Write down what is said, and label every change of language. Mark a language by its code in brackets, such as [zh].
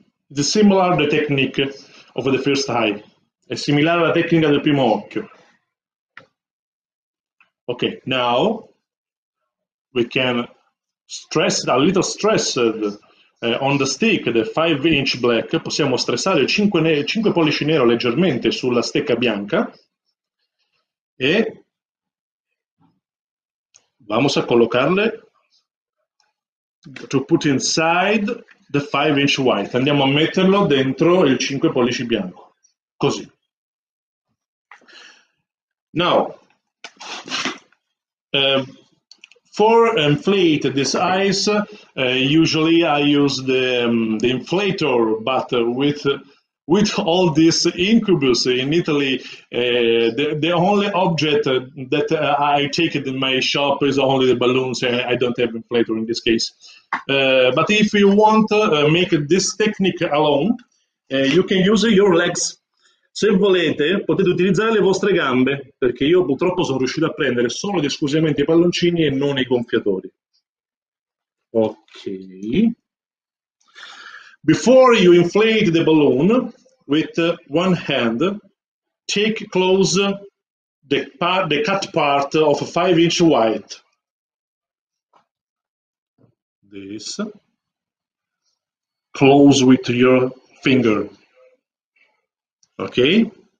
[en] It's similar the technique of the first eye. [it] È similar alla tecnica del primo occhio. [en] Ok, now we can stress a little stressed on the stick, the 5 inch black. [it] Possiamo stressare il 5 pollici nero leggermente sulla stecca bianca. [es] E vamos a collocarle [en] to put inside the 5 inch white. [it] Andiamo a metterlo dentro il 5 pollici bianco. Così. [en] Now, for inflate this eyes, usually I use the inflator, but with all these incubus in Italy, the only object that I take in my shop is only the balloons. I don't have inflator in this case. But if you want to make this technique alone, you can use your legs. [it] Se volete, potete utilizzare le vostre gambe, perché io purtroppo sono riuscito a prendere solo ed esclusivamente i palloncini e non i gonfiatori. [en] Ok. Before you inflate the balloon with one hand, take close the cut part of 5 inch white. This. Close with your finger. Okay?